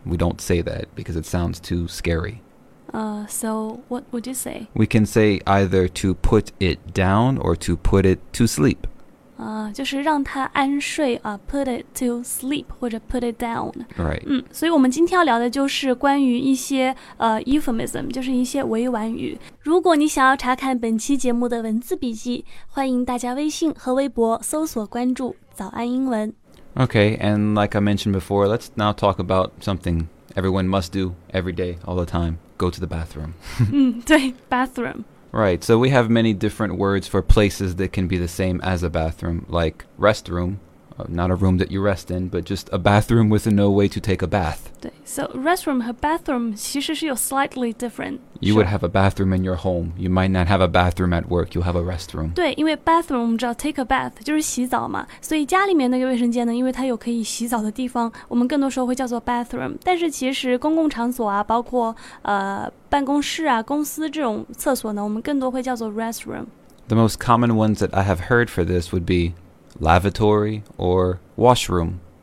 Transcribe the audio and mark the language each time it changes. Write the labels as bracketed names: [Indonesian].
[English] We don't say that because it sounds too scary. So what would you say? We can say either to put it down or to put it to sleep. [Chinese] 就是让它安睡啊 [English] put it to sleep [Chinese] 或者 [English] put it down. Right. [Chinese] 所以我们今天要聊的就是关于一些euphemism, 就是一些委婉语。如果你想要查看本期节目的文字笔记，欢迎大家微信和微博搜索关注早安英文。 [English] Okay, and like I mentioned before, let's now talk about something everyone must do every day, all the time, go to the bathroom. [Chinese] 对 bathroom. [English] Right, so we have many different words for places that can be the same as a bathroom, like restroom, not a room that you rest in, but just a bathroom with no way to take a bath. 对 so restroom 和 bathroom [Chinese] 其实是有 [English] slightly different. You would have a bathroom in your home. You might not have a bathroom at work, you'll have a restroom. [Chinese] 对因为 bathroom 我们知道 [English] take a bath, [Chinese] 就是洗澡嘛。所以家里面那个卫生间呢因为它有可以洗澡的地方我们更多时候会叫做 bathroom. 但是其实公共场所啊包括办公室啊公司这种厕所呢我们更多会叫做 restroom. [English] The most common ones that I have heard for this would be lavatory or washroom.